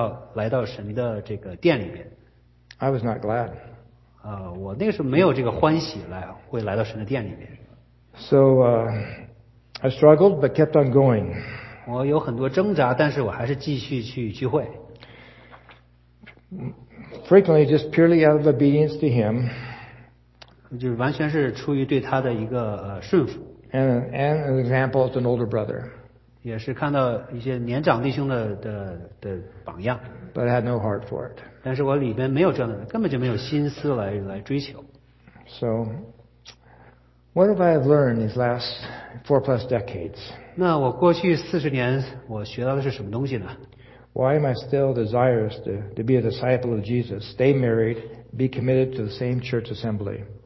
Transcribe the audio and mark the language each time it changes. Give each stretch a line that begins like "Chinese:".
Chinese: 你知道有一首诗歌，就是我们要这个诗篇里面讲到说我们要来到神的这个殿里面。
English: I was not glad.
Chinese: 我那个时候没有这个欢喜来会来到神的殿里面。
English: So I struggled but kept on going.
Chinese: 我有很多挣扎，但是我还是继续去聚会。
English: Frequently just purely out of obedience to him.
Chinese: 就是完全是出于对他的一个顺服。
English: And an example as an older brother.
Chinese: 也是看到一些年长弟兄的榜样。
English: But I had no heart for it.
Chinese: 但是我里边没有这样的，根本就没有心思来追求。
English: So, what have I learned these last 4+ decades?
Chinese: 那我过去40年我学到的是什么东西呢？
English: Why am I still desirous to be a disciple of Jesus, stay married, be committed to the same church assembly?